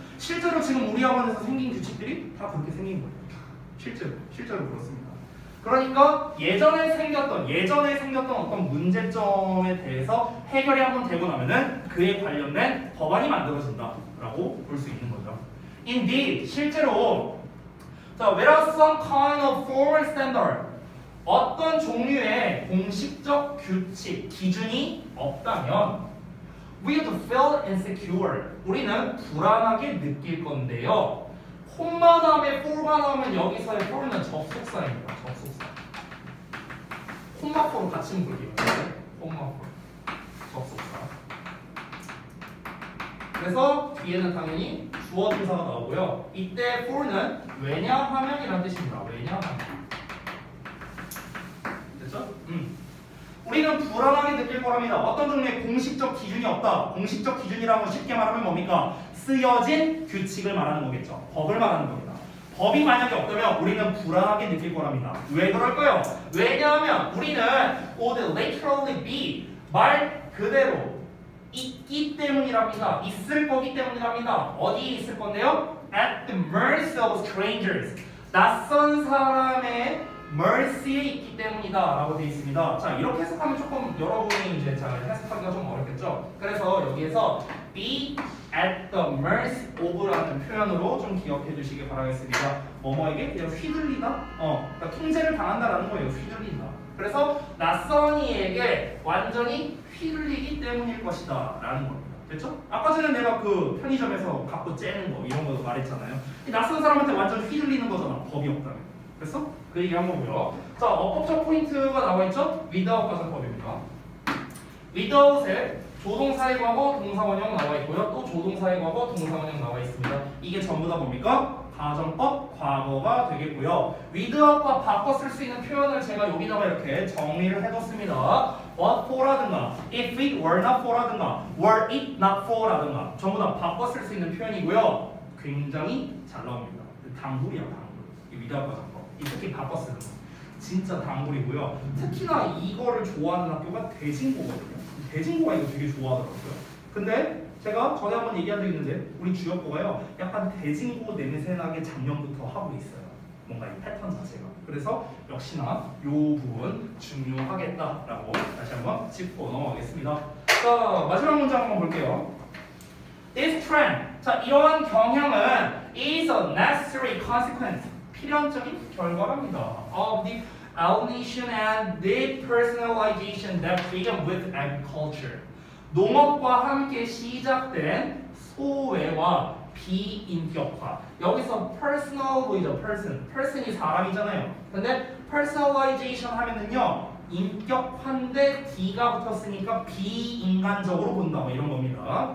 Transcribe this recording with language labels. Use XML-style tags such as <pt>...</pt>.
<ko>실제로 지금 우리 학원에서 생긴 규칙들이 다 그렇게 생긴 거예요. 실제로 그렇습니다. 그러니까 예전에 생겼던 어떤 문제점에 대해서 해결이 한번 되고 나면은 그에 관련된 법안이 만들어진다라고 볼 수 있는 거죠.</ko> <en>Indeed,</en> <ko>실제로 자,</ko> <en>whereas some kind of formal standard</en> <ko>어떤 종류의 공식적 규칙, 기준이 없다면</ko> <en>we'd feel insecure.</en> <ko>우리는 불안하게 느낄 건데요. 콤마 다음에 for가 나오면 여기서의 for는 접속사입니다. 접속사. 콤마 for 같이 물게요. 콤마 for. 접속사. 그래서 뒤에는 당연히 주어 동사가 나오고요. 이때 for는 왜냐하면 이란 뜻입니다. 왜냐하면. 우리는 불안하게 느낄 거랍니다. 어떤 종류의 공식적 기준이 없다. 공식적 기준이라는 건 쉽게 말하면 뭡니까? 쓰여진 규칙을 말하는 거겠죠. 법을 말하는 겁니다. 법이 만약에 없다면 우리는 불안하게 느낄 거랍니다. 왜 그럴까요? 왜냐하면 우리는</ko> <en>would literally be</en> <ko>말 그대로 있기 때문이랍니다. 있을 거기 때문이랍니다. 어디에 있을 건데요?</ko> <en>At the mercy of strangers.</en> <ko>낯선 사람의 mercy에 있기 때문이다 라고 되어 있습니다. 자, 이렇게 해석하면 조금 여러분이 이제 잘 해석하기가 좀 어렵겠죠. 그래서 여기에서</ko> <en>be at the mercy of</en> <ko>라는 표현으로 좀 기억해 주시기 바라겠습니다. 뭐뭐에게 그냥 휘둘리다? 그러니까 통제를 당한다라는 거예요. 휘둘린다. 그래서 낯선이에게 완전히 휘둘리기 때문일 것이다 라는 겁니다. 됐죠? 아까 전에 내가 그 편의점에서 갖고 째는 거 이런 거 말했잖아요. 낯선 사람한테 완전 휘둘리는 거잖아. 법이 없다면. 됐어? 그 얘기 한 거고요. 자, 어법적 포인트가 나와있죠? without과 작법입니다. without에 조동사의 과거, 동사원형 나와있고요. 또 조동사의 과거, 동사원형 나와있습니다. 이게 전부 다 뭡니까? 가정법, 과거가 되겠고요. without과 바꿔 쓸 수 있는 표현을 제가 여기다가 이렇게 정리를 해뒀습니다. what for라든가,</ko> <en>if it were not for</en> <ko>라든가,</ko> <en>were it not for</en> <ko>라든가 전부 다 바꿔 쓸 수 있는 표현이고요. 굉장히 잘 나옵니다. 단골이야, 단골. 이 without과 작법. 특히 바꿔 쓰는 거. 진짜 단골이고요. 특히나 이거를 좋아하는 학교가 대진고거든요. 대진고가 이거 되게 좋아하더라고요. 근데 제가 전에 한번 얘기한 적 있는데 우리 주역고가요 약간 대진고 냄새나게 작년부터 하고 있어요. 뭔가 이 패턴 자체가. 그래서 역시나 요 부분 중요하겠다라고 다시 한번 짚고 넘어가겠습니다. 자, 마지막 문장 한번 볼게요.</ko> <en>This trend,</en> <ko>자 이러한 경향은</ko> <en>is a necessary consequence,</en> <ko>필연적인 결과랍니다.</ko> <en>Of the alienation and depersonalization that began with agriculture.</en> <ko>농업과 함께 시작된 소외와 비인격화. 여기서 personal 보이죠? person. person이 사람이잖아요. 근데 personalization 하면은요, 인격화인데 D가 붙었으니까 비인간적으로 본다. 뭐 이런 겁니다.</ko>